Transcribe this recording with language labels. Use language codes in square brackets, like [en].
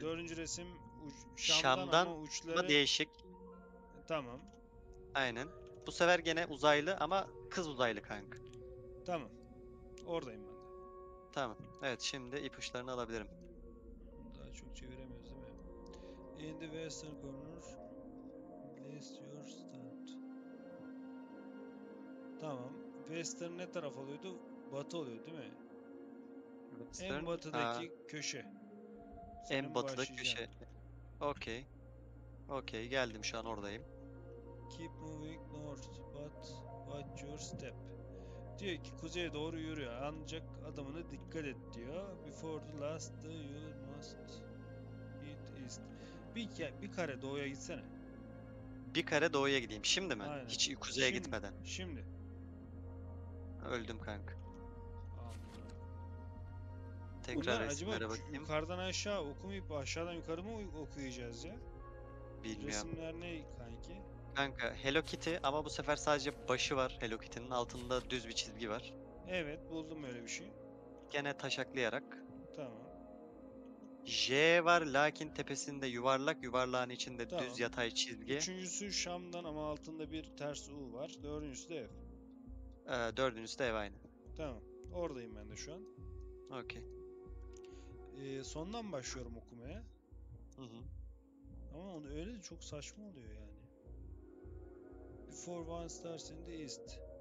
[tr] Dördüncü resim, Şam'dan ama uçları değişik. Tamam. Aynen. Bu sefer gene uzaylı ama kız uzaylı kanka. Tamam. Oradayım ben de. Tamam. Evet, şimdi ipuçlarını alabilirim. Daha çok çeviremiyoruz değil mi? [en] In the western corner, place your stand. [tr] Tamam. Western ne taraf oluyordu? Batı oluyor değil mi? Western. En batıdaki köşe. Senin en batıdaki köşe. Okey. Okey, geldim, şu an oradayım. [en] Keep moving north, but watch your step. [tr] Diyor ki kuzeye doğru yürü, ancak adamına dikkat et diyor. [en] Before the last day you must hit east. [tr] Bir kare doğuya gitsene. Bir kare doğuya gideyim. Şimdi mi? Aynen. Hiç kuzeye şimdi, gitmeden. Şimdi. Öldüm kanka. Tekrar resimlere bakayım. Yukarıdan aşağı okumayıp aşağıdan yukarı mı okuyacağız ya? Bilmiyorum. Resimler ne kanki? Kanka Hello Kitty ama bu sefer sadece başı var Hello Kitty'nin. Altında düz bir çizgi var. Evet, buldum öyle bir şey. Gene taşaklayarak. Tamam. J var lakin tepesinde yuvarlak. Yuvarlağın içinde tamam. Düz yatay çizgi. Üçüncüsü Şam'dan ama altında bir ters U var. Dördüncüsü de ev. Dördüncüsü de ev aynı. Tamam. Oradayım ben de şu an. Okey. Sondan başlıyorum okumaya. Hı hı. Ama öyle de çok saçma oluyor yani. [en] Before one starts in the east.